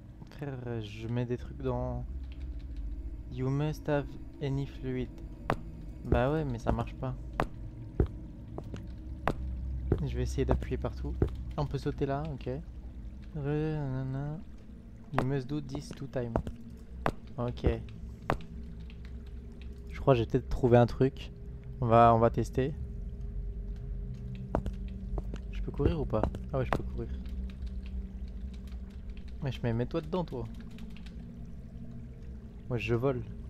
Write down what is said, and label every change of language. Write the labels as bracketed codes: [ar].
[fr] Frère, je mets des trucs dans. [en] You must have any fluid. [fr] Bah ouais, mais ça marche pas. Je vais essayer d'appuyer partout. On peut sauter là, ok. [en] You must do this two times. Ok. [fr] Je crois que j'ai peut-être trouvé un truc. On va tester. Je peux courir ou pas? Ah ouais, je peux courir. Mets-toi dedans, toi. Moi, je vole.